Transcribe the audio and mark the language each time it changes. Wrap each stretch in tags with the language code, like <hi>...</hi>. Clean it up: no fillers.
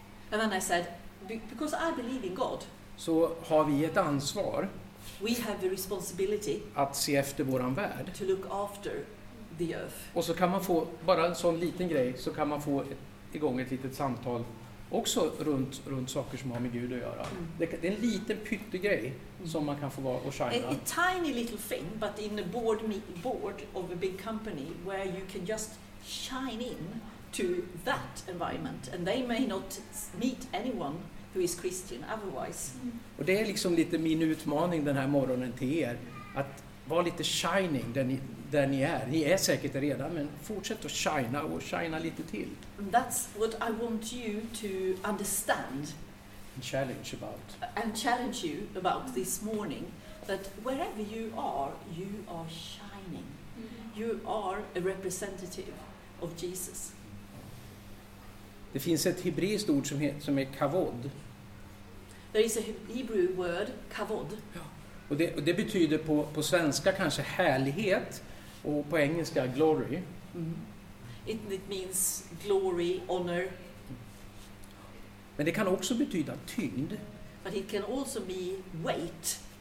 <en>And then I said, because I believe in God.</en> <sv>Så har vi ett ansvar.</sv> <en>We have the responsibility.</en> <sv>Att se efter våran värld.</sv> <en>To look after the earth.</en> <sv>Och så kan man få bara en sån liten grej, så kan man få igång ett litet samtal också runt saker som har med Gud att göra. Det är en liten pyttegrej som man kan få vara och shina.</sv> <en>A tiny little thing, but in the board of a big company where you can just shine in to that environment, and they may not meet anyone who is Christian otherwise.</en> <sv>Och det är liksom lite min utmaning den här morgonen till er, att vara lite shining där ni är. Ni är säkert redan, men fortsätt att shina och shina lite till.</sv> <en>And that's what I want you to understand and challenge about. And challenge you about this morning, that wherever you are shining. You are a representative of Jesus.</en> <sv>Det finns ett hebreiskt ord som är kavod.</sv> <en>There is a Hebrew word, kavod.</en> <sv>Ja. Och det betyder på svenska kanske härlighet, och på engelska glory.</sv> <en>It means glory, honor.</en> <sv>Men det kan också betyda tyngd.</sv> <en>But it can also be weight.</en>